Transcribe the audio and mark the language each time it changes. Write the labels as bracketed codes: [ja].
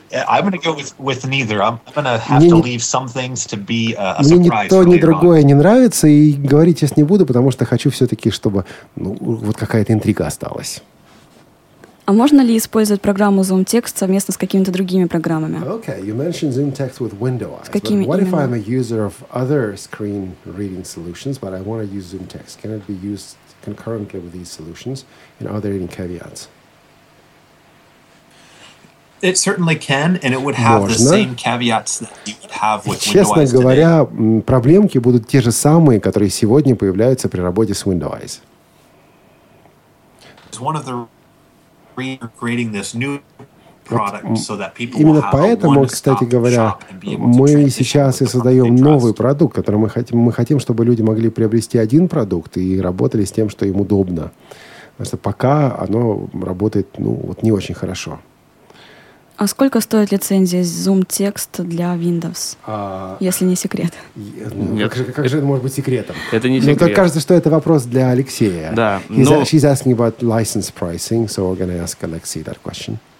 [en] I'm going to go with neither. I'm going to have to leave some things to be a surprise. [ru] Мне ни то, ни другое не нравится, и говорить сейчас не буду, потому что хочу все-таки, чтобы вот какая-то интрига осталась. А можно ли использовать программу Zoom Text совместно с какими-то другими программами? [en] Okay, you mentioned Zoom Text with Windows. [ru] С какими [en] what [ru] именно? [en] What if I'm a user of other screen reading solutions, but I want to use Zoom Text? Can it be used concurrently with these solutions, and are there any caveats? It certainly can, and it would have the same caveats that you would have with Windows. [ru] Честно говоря, проблемки будут те же самые, которые сегодня появляются при работе с Windows. [en] One of the creating this new [ru] Именно поэтому, кстати говоря, мы сейчас и создаем новый продукт, который мы хотим, чтобы люди могли приобрести один продукт и работали с тем, что им удобно. Потому что пока оно работает не очень хорошо. А сколько стоит лицензия Zoom Text для Windows, если не секрет? Как же это может быть секретом? Это не секрет. Мне кажется, что это вопрос для Алексея. [en] She's asking about license pricing, so we're going to ask Alexei that question.